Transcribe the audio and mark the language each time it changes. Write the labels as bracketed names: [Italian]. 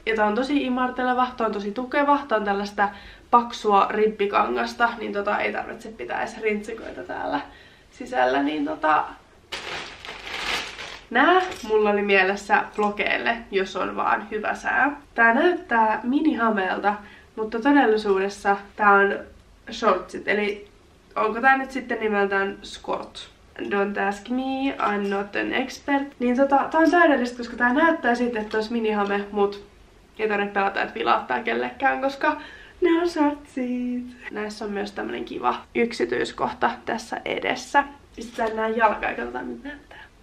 [Finnish] Ja tää on tosi imarteleva, tää on tosi tukeva, tää on tällaista paksua ribbikangasta, niin ei tarvitse pitää edes rintsikoita täällä sisällä, niin nää mulla oli mielessä blokeille, jos on vaan hyvä sää. Tää näyttää minihameelta, mutta todellisuudessa tää on shortsit, eli onko tää nyt sitten nimeltään skort? [English] Don't ask me, I'm not an expert. [Finnish] Niin tää on täydellistä, koska tää näyttää sitten, että olisi minihame, mut ei tarvitse pelata, että vilahtaa kellekään, koska ne on shortsit. Näissä on myös tämmönen kiva yksityiskohta tässä edessä. Sitten nää jalkaa, katsotaan mitä näyttää.